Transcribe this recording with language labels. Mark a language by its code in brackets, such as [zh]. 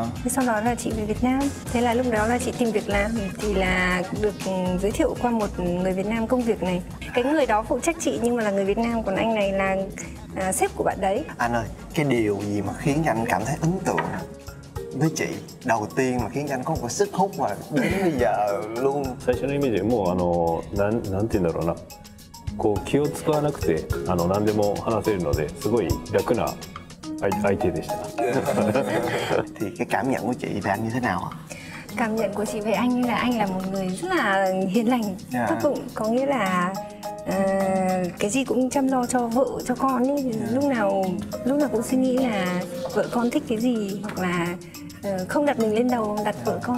[vi] Sau đó là chị về Việt Nam. Thế là lúc đó là chị tìm việc làm thì là được giới thiệu qua một người Việt Nam công việc này. Cái người đó phụ trách chị nhưng mà là người Việt Nam, còn anh này là sếp của bạn đấy. Anh ơi, cái điều gì mà khiến anh cảm thấy ấn tượng với chị đầu tiên mà khiến anh có một sức hút mà đến bây giờ luôn? Thật sự mình thấy một nói [ja] こう気を使わなくて何でも話せるのですごい楽な相手でした。 [vi] Thì cái cảm nhận của chị về anh như thế nào ạ? Cảm nhận của chị về anh là anh là một người rất là hiền lành, tốt bụng, có nghĩa là cái gì cũng chăm lo cho vợ cho con ấy. Lúc nào cũng suy nghĩ là vợ con thích cái gì, hoặc là không đặt mình lên đầu, đặt vợ con